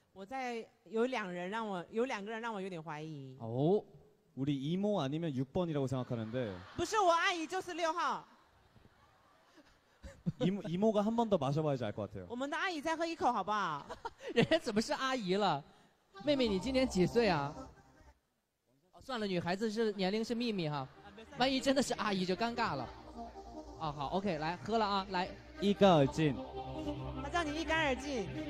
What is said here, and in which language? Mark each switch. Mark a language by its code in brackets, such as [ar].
[zh] 我在有两人让我有两个人让我有点怀疑。哦。 [ko] 우리이모아니면6번이라고생각하는데 [zh] 不是我阿姨就是6号 [ko] 이모가한번더마셔봐야지알것같아요 [zh] 我们的阿姨再喝一口好不好人家怎么是阿姨了妹妹你今年几岁啊算了女孩子是年龄是秘密哈万一真的是阿姨就尴尬了啊好 OK 来喝了啊来一干而尽他叫你一干而尽